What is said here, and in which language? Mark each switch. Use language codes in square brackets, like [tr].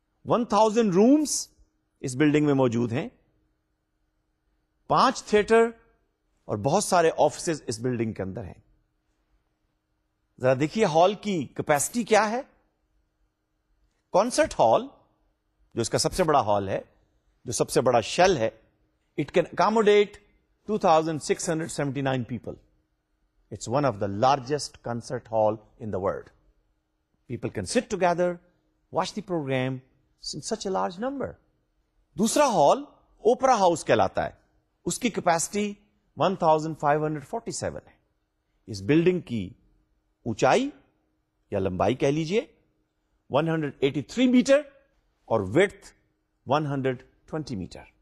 [ur] 1000 rooms اس building میں موجود ہیں, 5 theater اور بہت سارے آفیسز اس بلڈنگ کے اندر ہیں. ذرا دیکھیے ہال کی کیپیسٹی کیا ہے. کانسرٹ ہال, جو اس کا سب سے بڑا ہال ہے, جو سب سے بڑا شیل ہے, [en] It can accommodate 2679 people. It's one of the largest concert hall in the world. People can sit together, watch the program in such a large number. [ur] دوسرا ہال اوپرا ہاؤس کہلاتا ہے, اس کی کیپیسٹی 1547 ہے. اس بلڈنگ کی اونچائی یا لمبائی کہہ لیجئے 183 میٹر اور ویڈتھ 120 میٹر.